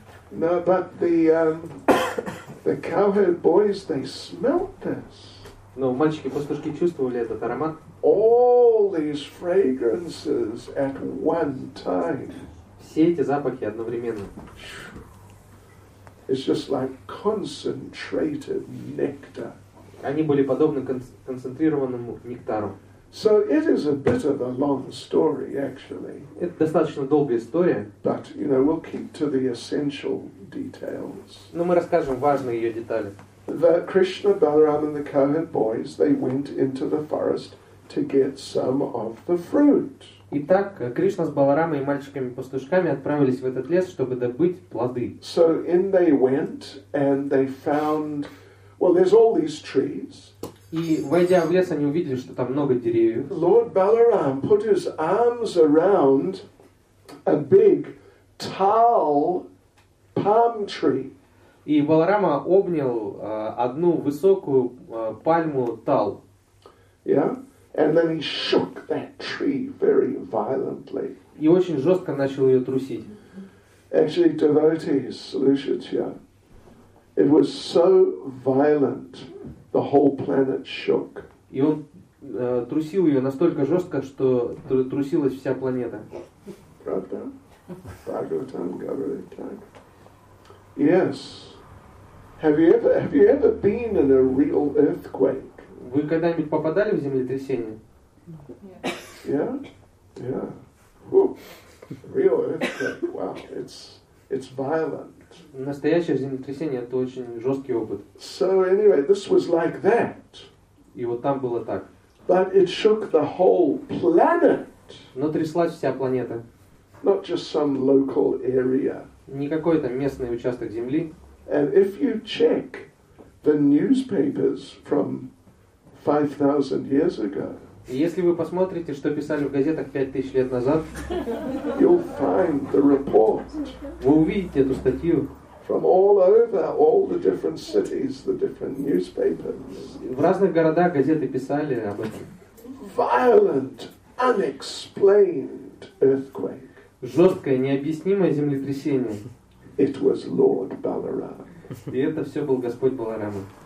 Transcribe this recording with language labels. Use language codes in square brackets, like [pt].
[en] No, but the cowherd boys, they smelt this. [ru] Но мальчики-пастушки чувствовали этот аромат. [en] All these fragrances at one time. [ru] Все эти запахи одновременно. [en] It's just like concentrated nectar. [ru] Они были подобны концентрированному нектару. [en] So it is a bit of a long story, actually. [ru] Это достаточно долгая история. [en] But, you know, we'll keep to the essential details. [ru] Но мы расскажем важные ее детали. [en] That Krishna, Balaram and the cowherd boys, they went into the forest to get some of the fruit. [ru] Итак, Кришна с Баларамой и мальчиками-пастушками отправились в этот лес, чтобы добыть плоды. [en] So in they went and they found, well, there's all these trees. [ru] И войдя в лес, они увидели, что там много деревьев. [en] Lord Balaram put his arms around a big tall palm tree. [ru] И Баларама обнял одну высокую пальму тал. [en] Yeah. And then he shook that tree very violently. [ru] И очень жестко начал ее трусить. [en] Actually, devotees, [ru] слушайте, [en] it was so violent, the whole planet shook. [ru] И он трусил ее настолько жестко, что трусилась вся планета. Правда? Бхагаватам говорит так. [en] Yes. Have you ever been in a real earthquake? [ru] Вы когда-нибудь попадали в землетрясение? Нет. [en] Yeah. Real earthquake. Wow. It's violent. [ru] Настоящее землетрясение — это очень жесткий опыт. [en] So anyway, this was like that. [ru] И вот там было так. [en] But it shook the whole planet. [ru] Но тряслась вся планета. [en] Not just some local area. [ru] Не какой-то местный участок земли. [en] And if you check the newspapers from 5,000 years ago. [ru] Если вы посмотрите, что писали в газетах 5,000 лет назад, [en] you'll find the report. [ru] Вы увидите эту статью. [en] From all over, all the different cities, the different newspapers. [ru] В разных городах газеты писали об этом. [en] Violent, unexplained earthquake. [ru] Жесткое, необъяснимое землетрясение. [en] It was Lord Balaram. [ru] И это все был Господь Баларама.